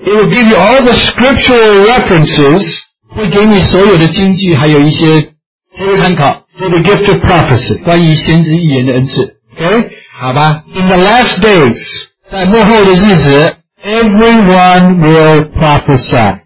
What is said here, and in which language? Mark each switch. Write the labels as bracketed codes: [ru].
[en] It will give you all the scriptural references, [zh] 会给你所有的经句,还有一些参考, [en] for the gift of prophecy, [zh] 关于先知预言的恩赐。 [en] Okay? [zh] 好吧。 [en] In the last days, [zh] 在末后的日子, [en] everyone will prophesy.